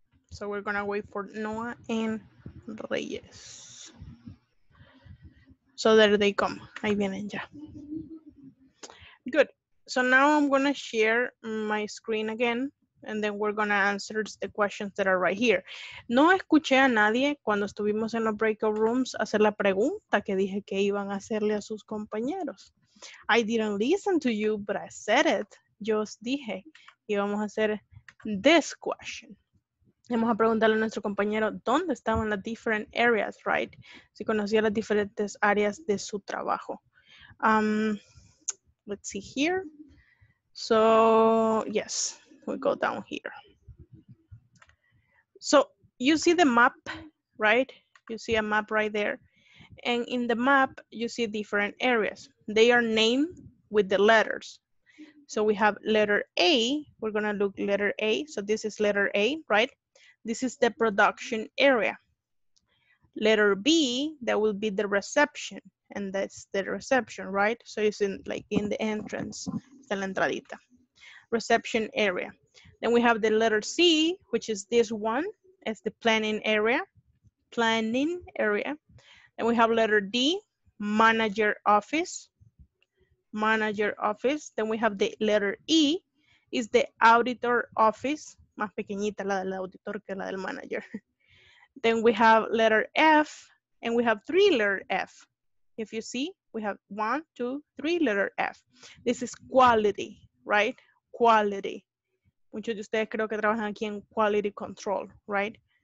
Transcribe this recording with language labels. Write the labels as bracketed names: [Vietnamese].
[English] So we're gonna wait for Noah and Reyes. So there they come. [Spanish] Ahí vienen ya. [English] Good. So now I'm going to share my screen again and then we're going to answer the questions that are right here. [Spanish] No escuché a nadie cuando estuvimos en los breakout rooms hacer la pregunta que dije que iban a hacerle a sus compañeros. [English] I didn't listen to you, but I said it. [Spanish] Yo os dije, íbamos a hacer [English] this question. [Spanish] Vamos a preguntarle a nuestro compañero dónde estaban las [English] different areas, right? [Spanish] Si conocía las diferentes áreas de su trabajo. [English] Let's see here. So, yes, we go down here. So, you see the map, right? You see a map right there. And in the map, you see different areas. They are named with the letters. So, we have letter A. We're going to look letter A. So, this is letter A, right? This is the production area. Letter B, that will be the reception. And that's the reception, right? So it's in like in the entrance, the entradita, reception area. Then we have the letter C, which is this one, as the planning area. And we have letter D, manager office. Then we have the letter E, is the auditor office. [Spanish] Más pequeñita la del auditor que la del manager. [English] Then we have letter F, and we have three letter F. If you see, we have one, two, three letter F. This is quality, right? Quality. [Spanish] Muchos de ustedes creo que trabajan aquí en quality control, right?